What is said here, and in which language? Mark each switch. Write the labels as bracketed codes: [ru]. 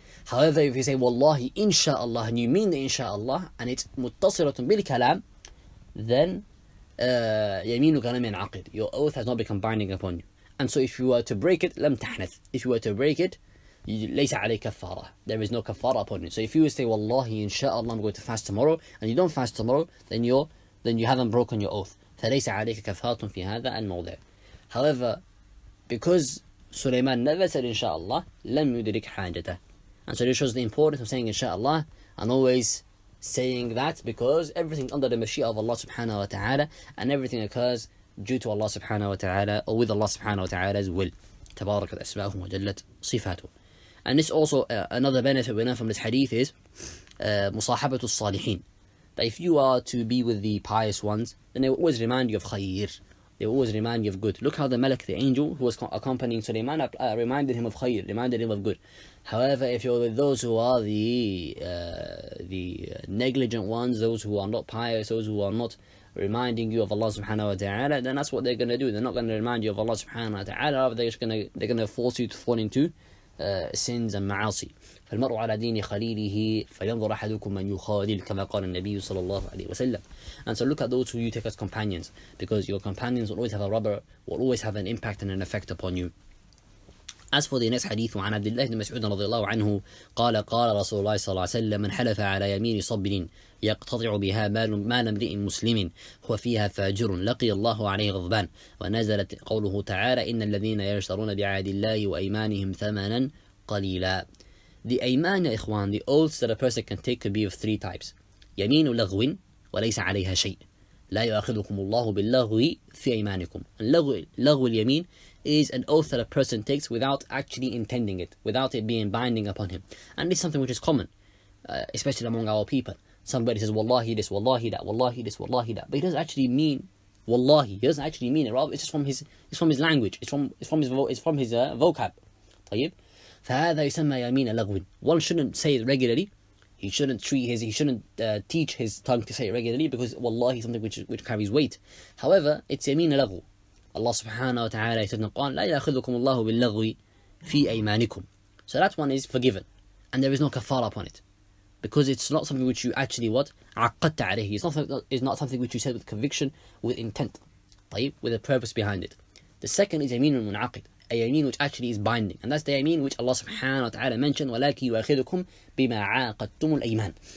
[en] However, if you say, wallahi, inshaAllah, and you mean the inshaAllah, and it's [ar] muttasiratun bil kalam, [en] then [ar] yameenuka lam yan'aqid. [en] Your oath has not become binding upon you. And so if you were to break it, [ar] لم تحنث. [en] If you were to break it, [ar] ليس عليك كفارة. [en] There is no kafara upon you. So if you say, wallahi, inshaAllah, I'm going to fast tomorrow, and you don't fast tomorrow, then you haven't broken your oath. [ar] فليس عليك كفارة في هذا الموضع. [en] However, because Sulaiman never said inshaAllah, [ar] لم يدرك حاجته. [en] And so this shows the importance of saying inshaAllah, and always saying that, because everything under the mashia of Allah subhanahu wa ta'ala, and everything occurs due to Allah subhanahu wa ta'ala, or with Allah subhanahu wa ta'ala's will. [ar] تبارك الأسماءه وجلت صفاته. [en] And this also, another benefit we learn from this hadith is [ar] مصاحبة الصالحين. [en] That if you are to be with the pious ones, then they will always remind you of khayr. They will always remind you of good. Look how the malak, the angel, who was accompanying Sulaiman, reminded him of khayr, reminded him of good. However, if you're with those who are the negligent ones, those who are not pious, those who are not reminding you of Allah subhanahu wa ta'ala, then that's what they're going to do. They're not going to remind you of Allah subhanahu wa ta'ala. They're going to force you to fall into sins and ma'asi. [ar] فَالْمَرْءُ عَلَى دِينِ خَلِيلِهِ فَيَنْظُرْ أَحَدُكُمْ مَنْ يُخَالِلْ كَمَا قَالَ النَّبِيُّ صَلَى اللَّهُ عَلَيْهِ وَسَلَّمْ. [en] And so look at those who you take as companions, because your companions will always have a rubber, will always have an impact and an effect upon you. As for the next hadith, [ar] عن عبد الله بن مسعود رضي الله عنه قال قال رسول الله صلى الله عليه وسلم من حلف على يمين صبر يقتطع بها مال امرئ مسلم هو فيها فاجر لقي الله عليه غضبان. ونزلت قوله تعالى إن الذين يشترون بعهد الله وأيمانهم ثمنا قليلا. [en] The أيمان [ar] يا إخوان, [en] the oaths that a person can take could be of three types. [ar] يمين لغو وليس عليها شيء لا يؤاخذكم الله باللغو في أيمانكم. [en] لغو اليمين is an oath that a person takes without actually intending it, without it being binding upon him. And it's something which is common, especially among our people. Somebody says, wallahi this, wallahi that, wallahi this, wallahi that. But he doesn't actually mean wallahi. He doesn't actually mean it. Rather, it's just from his language. It's from his vocab. طيب. [ar] فهذا يسمى يمين لغو. [en] One shouldn't say it regularly. He shouldn't teach his tongue to say it regularly, because wallahi is something which carries weight. However, it's [ar] يمين لغو. [en] Allah subhanahu wa ta'ala said in the Quran, [ar] لا يأخذكم الله باللغو في أيمانكم. [en] So that one is forgiven, and there is no kafara upon it, because it's not something which you actually what? [ar] عقدت عليه. [en] It's not something which you said with conviction, with intent, طيب, with a purpose behind it. The second is يمين المنعقد, a yameen which actually is binding. And that's the yameen which Allah subhanahu wa ta'ala mentioned, [ar] ولكن يأخذكم بما عاقدتم الأيمان.